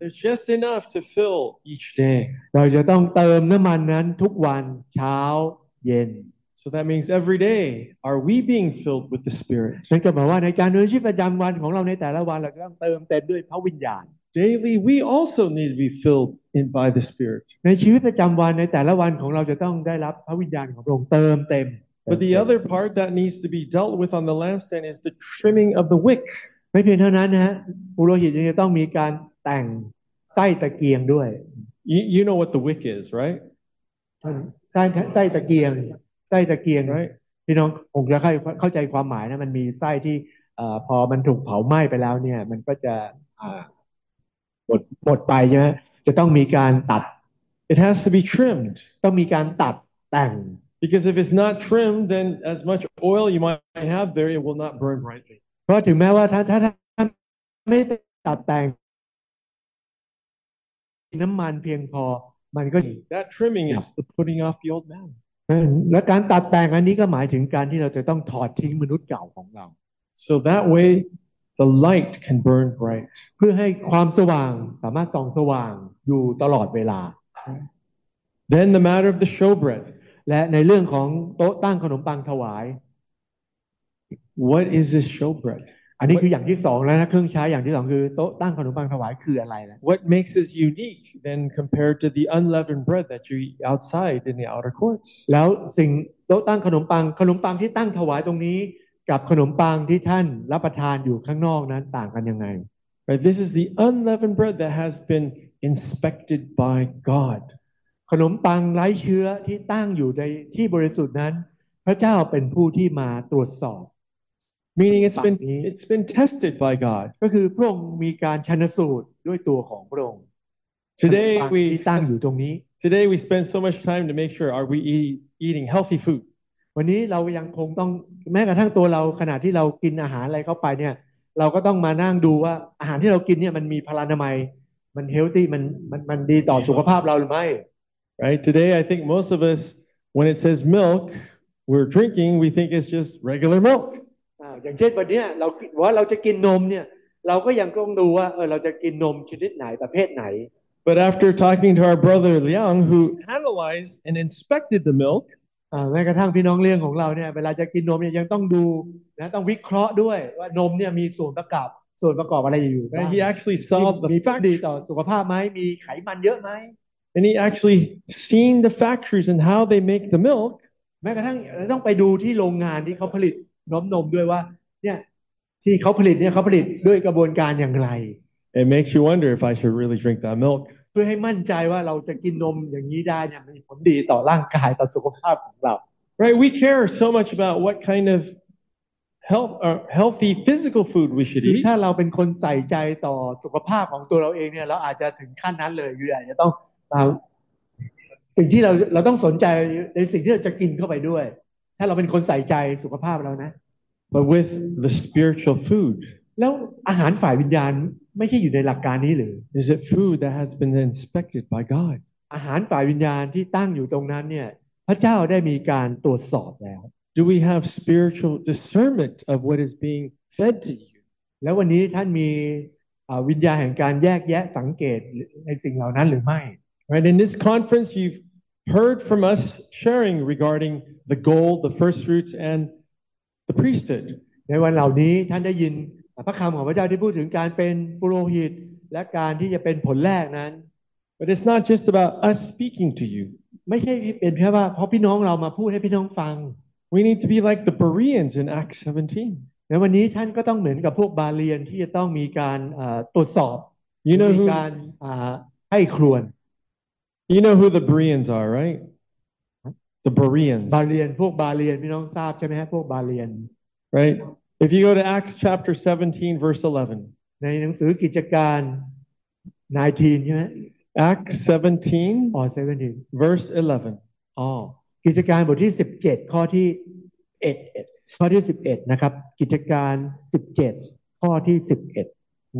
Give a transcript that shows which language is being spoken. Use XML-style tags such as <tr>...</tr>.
<en>There's just enough to fill each day</en> <th>เราจะต้องเติมน้ำมันนั้นทุกวันเช้าเย็น</th> <en>So that means every day are we being filled with the spirit</en> <th>นั่นก็หมายว่าในการดำเนินชีวิตประจำวันของเราในแต่ละวันเราต้องเติมเต็มด้วยพระวิญญาณ</th> <en>Daily we also need to be filled in by the spirit</en> <th>ในชีวิตประจำวันในแต่ละวันของเราจะต้องได้รับพระวิญญาณของพระองค์เติมเต็ม</th> <en>But the other part that needs to be dealt with on the lampstand is the trimming of the wick.</en> <th>ไม่เพียงเท่านั้นนะปุโรหิตยังจะต้องมีการแต่งไส้ตะเกียงด้วย</th> <en>You know what the wick is, right?</en> <th>ไส้ตะเกียงไส้ตะเกียง</th> <en>right</en> <th>พี่น้องคงจะเข้าใจความหมายนะมันมีไส้ที่พอมันถูกเผาไหม้ไปแล้วเนี่ยมันก็จะหมดไปใช่ไหมจะต้องมีการตัด</th> <en>It has to be trimmed</en> <th>ต้องมีการตัดแต่ง</th> <en>Because if it's not trimmed then as much oil you might have there it will not burn brightly</en> <th>เพราะถึงแม้ว่าถ้าไม่ตัดแต่งน้ำมันเพียงพอมันก็</th> <en>That trimming is the putting off the old man</en> <th>และการตัดแต่งอันนี้ก็หมายถึงการที่เราจะต้องถอดทิ้งมนุษย์เก่าของเรา</th> <en>So that wayThe light can burn bright.</en> <th>เพื่อให้ความสว่างสามารถส่องสว่างอยู่ตลอดเวลา</th> <en>Then the matter of the showbread.</en> <th>และในเรื่องของโต๊ะตั้งขนมปังถวาย</th> <en>What is this showbread?</en> <th>อันนี้คืออย่างที่สองแล้วนะเครื่องใช้อย่างที่สองคือโต๊ะตั้งขนมปังถวายคืออะไรนะ</th> <en>What makes this unique then compared to the unleavened bread that you eat outside in the outer courts?</en> <th>แล้วสิ่งโต๊ะตั้งขนมปังที่ตั้งถวายตรงนี้กับขนมปังที่ท่านรับประทานอยู่ข้างนอกนั้นต่างกันยังไง</th> <en>But this is the unleavened bread that has been inspected by God</en> <th>ขนมปังไร้เชื้อที่ตั้งอยู่ในที่บริสุทธิ์นั้นพระเจ้าเป็นผู้ที่มาตรวจสอบ</th> <en>Meaning it's been tested by God</en> <th>ก็คือพระองค์มีการชันสูตรด้วยตัวของพระองค์</th> <en>Today we</en> <th>ตั้งอยู่ตรงนี้</th> <en>Today we spend so much time to make sure are we eating healthy food</en> <th>วันนี้เรายังคงต้องแม้กระทั่งตัวเราขณะที่เรากินอาหารอะไรเข้าไปเนี่ยเราก็ต้องมานั่งดูว่าอาหารที่เรากินเนี่ยมันมีพลานามัยมันเฮลตี้มันดีต่อสุขภาพเราหรือไม่</th> <en>Right today I think most of us when it says milk we're drinking we think it's just regular milk</en> <th>อย่างเช่นวันนี้เราจะกินนมเนี่ยเราก็ยังต้องดูว่าเราจะกินนมชนิดไหนประเภทไหน</th> <en>But after talking to our brother Liang who analyzed and inspected the milk</en> <th>แม้กระทั่งพี่น้องเลี้ยงของเราเนี่ยเวลาจะกินนมเนี่ยยังต้องดูนะต้องวิเคราะห์ด้วยว่านมเนี่ยมีส่วนประกอบอะไรอยู่</th> <en>He actually saw the</en> <th>factory ดีต่อสุขภาพไหมมีไขมันเยอะไหม</th> <en>And he actually seen the factories and how they make the milk</en> <th>แม้กระทั่งต้องไปดูที่โรงงานที่เขาผลิตนมด้วยว่าเนี่ยที่เขาผลิตเนี่ยเขาผลิตด้วยกระบวนการอย่างไร</th> <en>It makes you wonder if I should really drink that milk</en> <th>เพื่อให้มั่นใจว่าเราจะกินนมอย่างนี้ได้เนี่ยมันมีผลดีต่อร่างกายต่อสุขภาพของเรา</th> <en>Right we care so much about what kind of healthy physical food we should eat</en> <th>ถ้าเราเป็นคนใส่ใจต่อสุขภาพของตัวเราเองเนี่ยเราอาจจะถึงขั้นนั้นเลยอยู่อาจจะต้องสิ่งที่เราต้องสนใจในสิ่งที่เราจะกินเข้าไปด้วยถ้าเราเป็นคนใส่ใจสุขภาพเรานะ</th> <en>But with the spiritual food</en> <th>แล้วอาหารฝ่ายวิญญาณไม่ใช่อยู่ในหลักการนี้หรือ</th> <en>Is it food that has been inspected by God?</en> <th>อาหารฝ่ายวิญญาณที่ตั้งอยู่ตรงนั้นเนี่ยพระเจ้าได้มีการตรวจสอบแล้ว</th> <en>Do we have spiritual discernment of what is being fed to you?</en> <th>แล้ววันนี้ท่านมีวิญญาณแห่งการแยกแยะสังเกตในสิ่งเหล่านั้นหรือไม่</th> <en>Right in this conference you've heard from us sharing regarding the gold, the first fruits, and the priesthood.</en> <th>ในวันเหล่านี้ท่านได้ยินพระคำของพระเจ้าที่พูดถึงการเป็นปุโรหิตและการที่จะเป็นผลแรกนั้น</th> <en>But it's not just about us speaking to you</en> <th>ไม่ใช่เป็นแค่ว่าเพราะพี่น้องเรามาพูดให้พี่น้องฟัง</th> <en>We need to be like the Bereans in Acts 17</en> <th>ในวันนี้ท่านก็ต้องเหมือนกับพวกบาเรียนที่จะต้องมีการตรวจสอบ</th> <en>You know มี</en> <th>การให้ครวญ</th> <en>You know who the Bereans are right The Bereans</en> <th>บาเรียนพวกบาเรียนพี่น้องทราบใช่ไหมฮะพวกบาเรียน</th> <en>RightIf you go to Acts chapter 17 verse 11.</en> <th>ในหนังสือกิจการ19ใช่ไหม</th> <en>Acts 17. Oh, 17. Verse 11.</en> <th>Oh, กิจการบทที่17ข้อที่11ข้อที่11นะครับกิจการ17ข้อที่11</th>